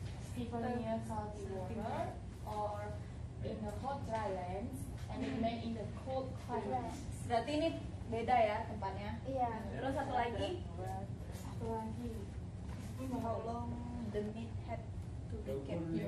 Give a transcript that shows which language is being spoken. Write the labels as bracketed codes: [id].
[en] Steeping in salty water or in the hot dry land and made in the cold climate. [id] Berarti ini beda ya tempatnya. Iya. Terus satu lagi? Satu lagi. [en] How long the meat had to be kept?